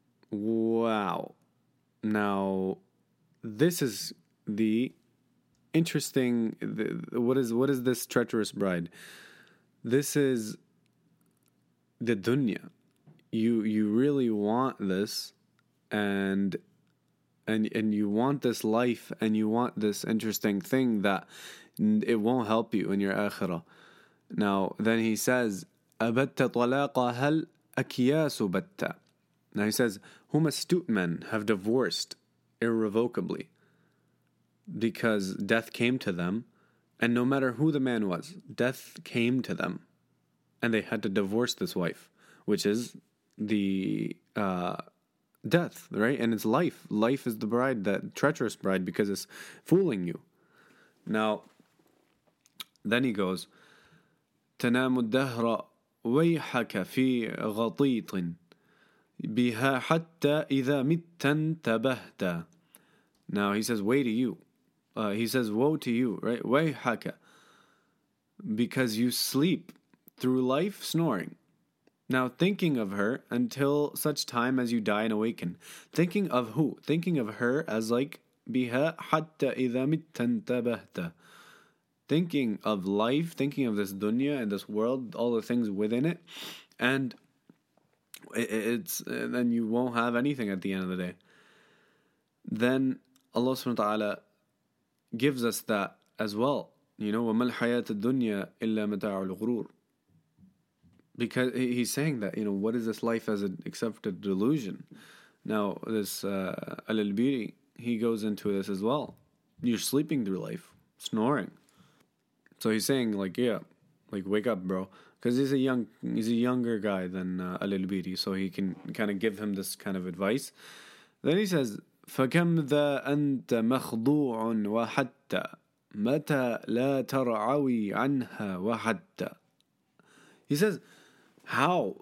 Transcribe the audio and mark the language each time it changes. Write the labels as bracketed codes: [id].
[en] Wow. Now, this is the interesting, what is this treacherous bride? This is the dunya. You really want this, and you want this life, and you want this interesting thing that it won't help you in your akhirah. Now, then he says, [ar] أَبَتَّ طَلَاقَ هَلْ أَكْيَاسُ بَتَّ. [en] Now he says, whom astute men have divorced irrevocably because death came to them, and no matter who the man was, death came to them, and they had to divorce this wife, which is the death, right? And it's life. Life is the bride, that treacherous bride, because it's fooling you. Now, then he goes, [ar] تنام الدهر ويحك في غطيط بها حتى إذا مت انتبهت. [en] Now he says, woe to you. He says, woe to you, right? [ar] ويحك. [en] Because you sleep through life snoring. Now, thinking of her until such time as you die and awaken. Thinking of who? Thinking of her as like, [ar] biha hatta idha mitta intabahta. [en] Thinking of life, thinking of this dunya and this world, all the things within it. And it's then you won't have anything at the end of the day. Then Allah subhanahu wa ta'ala gives us that as well. You know, [ar] وَمَا الْحَيَاةَ الدُّنْيَا إِلَّا مَتَاعُ الْغُرُورِ. [en] Because he's saying that, you know, what is this life as an except a delusion? Now, this Al-Ilbiri, he goes into this as well. You're sleeping through life, snoring. So he's saying, like, yeah, like, wake up, bro. Because he's a younger guy than Al-Ilbiri, so he can kind of give him this kind of advice. Then he says, [ar] فَكَمْ ذَا أَنْتَ مَخْضُوعٌ وَحَتَّى مَتَى لَا تَرْعَوِي عَنْهَا وَحَتَّى. [en] He says, how?